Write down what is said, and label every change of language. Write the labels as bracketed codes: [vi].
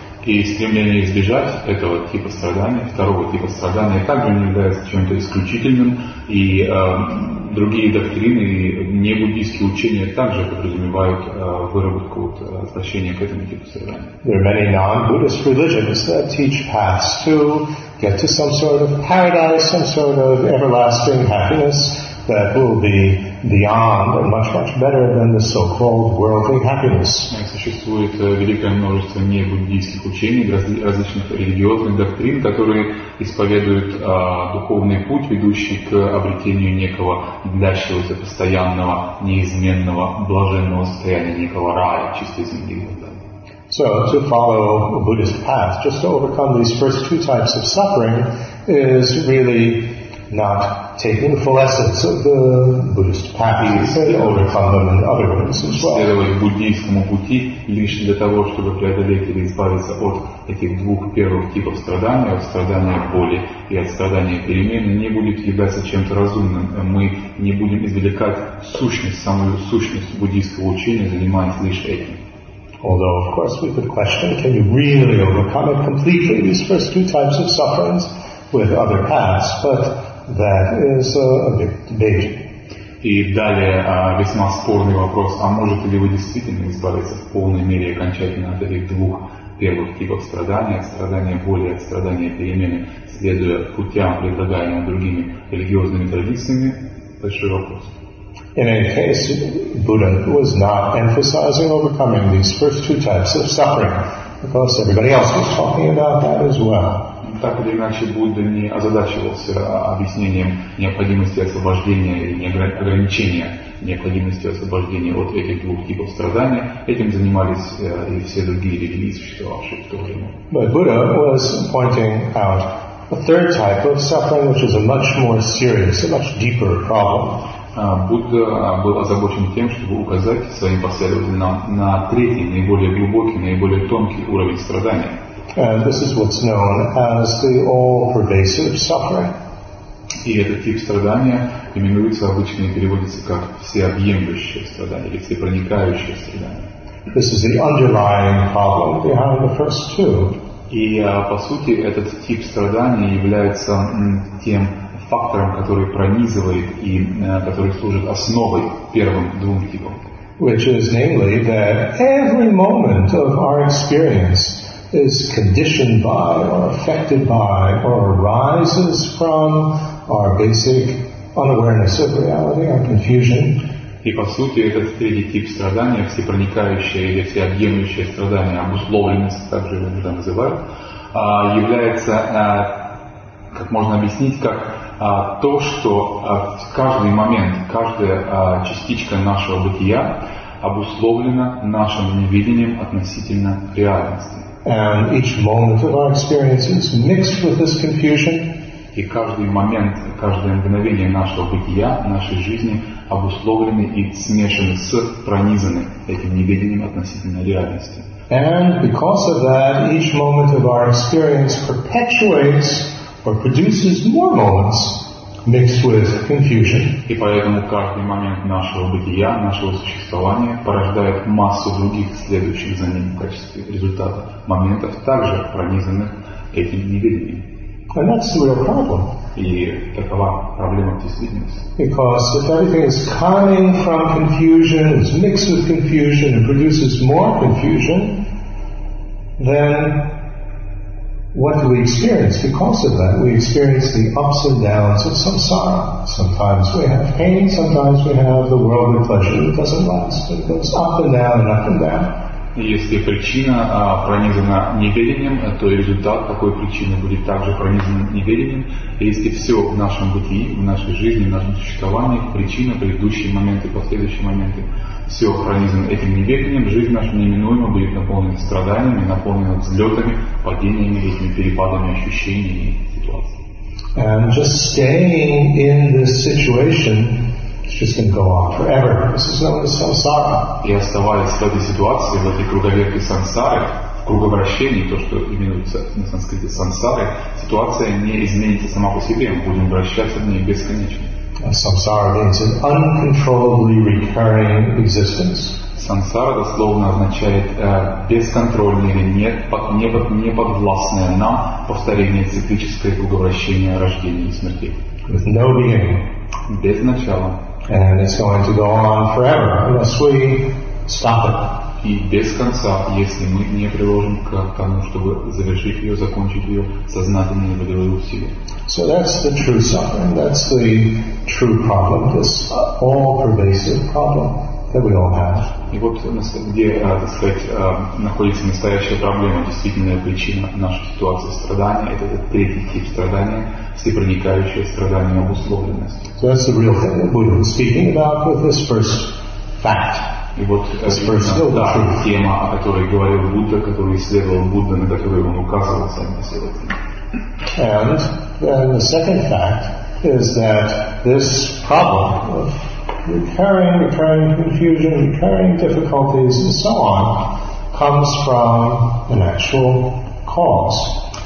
[ru] И стремление избежать этого типа страдания, второго типа страдания, также не является чем-то исключительным. И другие доктрины и небуддийские учения также подразумевают выработку вот, отвращения к этому типу страдания. [en] There are many non-Buddhist religions that teach paths to get to some sort of paradise, some sort of everlasting happiness that will be beyond and much, much better than the so-called worldly happiness. [ru] Существует великое множество небуддийских учений, различных религиозных доктрин, которые исповедуют духовный путь, ведущий к обретению некого длящегося, постоянного, неизменного, блаженного состояния, некого рая, чистой земли. [en] So, to follow a Buddhist path, just to overcome these first two types of suffering, is really not taking the full essence of the Buddhist path, but overcome them in other ways as well. [ru] Следовать буддийскому пути лишь для того, чтобы преодолеть или избавиться от этих двух первых типов страдания, от страдания боли и от страдания перемены, не будет являться чем-то разумным. Мы не будем извлекать сущность, самую сущность буддийского учения, занимаясь лишь этим. [en] Although, of course, we could question, can you really overcome it completely, these first two types of sufferings, with other paths, but that is a big debate. [ru] И далее весьма спорный вопрос, а можете ли вы действительно избавиться в полной мере окончательно от этих двух первых типов страдания, от страдания боли, от страдания перемены, следуя путям, предлагаемым другими религиозными традициями? Большой вопрос. [en] In any case, Buddha was not emphasizing overcoming these first two types of suffering, because everybody else was talking about that as well. [ru] Так или иначе, Будда не озадачивался объяснением необходимости освобождения или ограничения необходимости освобождения от этих двух типов страданий. Этим занимались и все другие религии, существовавшие в то время. [en] But Buddha was pointing out a third type of suffering, which is a much more serious, a much deeper problem. [ru] Будда был озабочен тем, чтобы указать своим последователям на третий, наиболее глубокий, наиболее тонкий уровень страдания. [en] And this is what's known as the all-pervasive suffering. [ru] И этот тип страдания именуется обычно и переводится как всеобъемлющее страдание или всепроникающее страдание. [en] This is the underlying problem behind the first two. [ru] И по сути этот тип страдания является тем фактором, который пронизывает и который служит основой первым двум типам. [en] Which is namely that every moment of our experience is conditioned by, or affected by, or arises from our basic unawareness of reality, our confusion. [ru] И по сути этот третий тип страдания, всепроникающее или всеобъемлющее страдание, обусловленность, как же его называют, является как как можно объяснить, как то, что в каждый момент, каждая частичка нашего бытия обусловлена нашим невидением относительно реальности. [en] And each moment of our experience is mixed with this confusion. [ru] И каждый момент, каждое мгновение нашего бытия, нашей жизни обусловлены и смешаны с, пронизаны этим неведением относительно реальности. [en] And because of that, each moment of our experience perpetuates or produces more moments mixed with confusion. [ru] И поэтому каждый момент нашего бытия, нашего существования порождает массу других следующих за ним в качестве результата моментов, также пронизанных этим неведением. [en] And that's the real problem. [ru] И такова проблема в действительности. [en] Because if everything is coming from confusion, is mixed with confusion, and produces more confusion, then what do we experience because of that? We experience the ups and downs of samsara. Sometimes we have pain, sometimes we have the world of pleasure that doesn't last. It goes up and down and up and down. [ru] Если причина пронизана неведением, то результат такой причины будет также пронизан неведением. И если все в нашем бытии, в нашей жизни, в нашем существовании, причина, предыдущие моменты, последующие моменты, все пронизано этим неведением, жизнь наша неминуемо будет наполнена страданиями, наполнена взлетами, падениями, этими перепадами ощущений и ситуаций. [en] And just staying in this situation, it's just going to go on forever. This is known as samsara. [ru] И оставаясь в этой ситуации, в этой круговерке сансары, в круговращении, то, что именуется на санскрите сансары, ситуация не изменится сама по себе. Мы будем вращаться в ней бесконечно. [en] Samsara means an uncontrollably recurring existence. [ru] Сансара дословно означает бесконтрольное или неподвластное нам повторение циклическое круговращение рождения и смерти. [en] With no beginning. [ru] Без начала. [en] And it's going to go on forever unless we stop it. [ru] И без конца, если мы не приложим к тому, чтобы завершить ее, закончить ее сознательные волевые усилия. [en] So that's the true suffering. That's the true problem. This all-pervasive problem that we all have. [ru] И вот где, так сказать, находится настоящая проблема, действительная причина нашей ситуации страдания, это третий тип страдания, всепроникающее страдание обусловленность. [en] So that's the real thing that we've been speaking about with this first fact. [ru] И вот это та тема, о которой говорил Будда, которую исследовал Будда, на которую он указывал сам на себя. [en] And then the second fact is that this problem of recurring confusion, recurring difficulties, and so on, comes from an actual cause.